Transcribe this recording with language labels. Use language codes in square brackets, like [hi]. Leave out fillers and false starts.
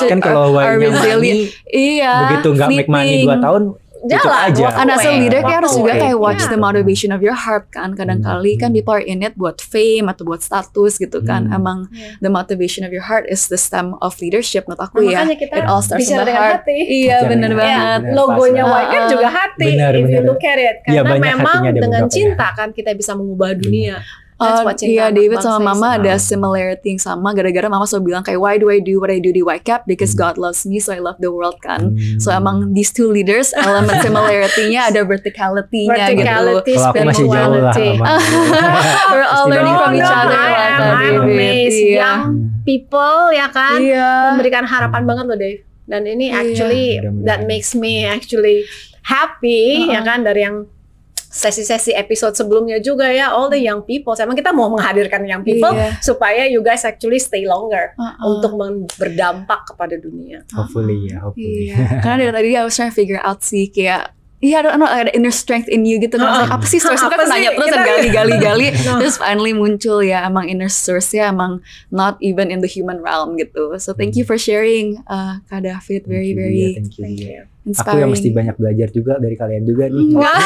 [id] Kan kalau why-nya money, begitu gak [en] make money [id] 2 tahun, cukup aja. [en] And as a leader [id] kayak harus juga kayak [en] watch the motivation of your heart kan. [id] Kadang-kali kan [en] people are in it [id] buat fame atau buat status gitu kan. [en] Emang the motivation of your heart is the stem of leadership [id] menurut aku ya. [en] It all starts from the heart. [id] Iya, benar banget. Logonya Y kan juga hati. [en] If you look at it. [id] Karena memang dengan cinta kan kita bisa mengubah dunia. Iya, David sama mama ada similarity yang sama. Gara-gara mama selalu bilang kayak, [en] why do I do what I do [id] di YCAP? [en] Because God loves me, so I love the world kan. So emang these two leaders, element similarity-nya ada verticality-nya gitu. [id] Kalau masih jauh lah. [en] We're all learning from each other. I'm amazed. Young people, ya kan? [id] Memberikan harapan banget loh, Dave. Dan ini actually, [en] that makes me actually happy, [id] ya kan? Dari yang sesi-sesi episode sebelumnya juga ya, [en] all the young people. [id] Emang kita mau menghadirkan young people supaya [en] you guys actually stay longer [id] untuk berdampak kepada dunia. [en] Hopefully ya, hopefully. [id] Karena dari tadi [en] I was trying to figure out [id] sih kayak, iya, [en] I don't know, ada inner strength in you gitu. [id] Nah, apa sih source? Kan nanya terus dan gali. Terus finally muncul ya, emang inner source-nya emang [en] not even in the human realm [id] gitu. [en] So thank you for sharing, Kak David. Thank very, you, very yeah, thank you. Inspiring. [id] Aku yang mesti banyak belajar juga dari kalian juga nih.